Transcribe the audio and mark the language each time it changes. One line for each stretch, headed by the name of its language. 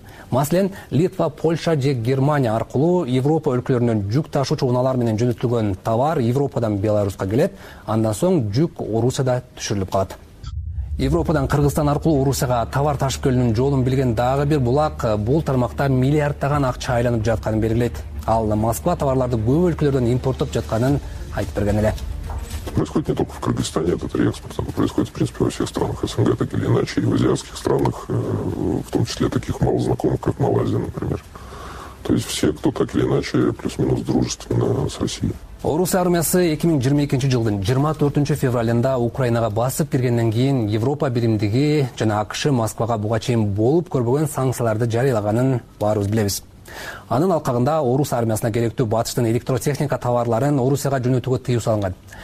Kyrgyz: Маселен, Литва, Польша же Германия аркылуу Европа өлкөлөрүнөн жүк ташуучу унаалар менен жөнөтүлгөн товар Европадан Беларуска келет, андан соң жүк Орусияда түшүрүлүп калат. Европадан Кыргызстан аркылуу Орусияга товар ташып келүүнүн жолун билген дагы бир булак бул тармакта миллиарддаган акча айланып жатканын белгилейт. Ал Москва товарларды көп өлкөлөрдөн импорттоп жатканын айтып берген эле.
Russian: Происходит не только в Кыргызстане этот реэкспорт, он происходит, в принципе, во всех странах СНГ, так или иначе, и в азиатских странах, в том числе таких малознакомых, как Малайзия, например. То есть все, кто так или иначе, плюс-минус дружественно с Россией.
Kyrgyz: Орус армиясы 2022 жылдын 24 февралында Украинага басып киргенден кийин Европа биримдиги жана АКШ Москвага буга чейин болуп көрбөгөн санкцияларды жарыялаганын баарыбыз билебиз. Анын алкагында Орус армиясына керектүү батыштын электротехника товарларын Орусияга жөнөтүүгө тыюу салынган.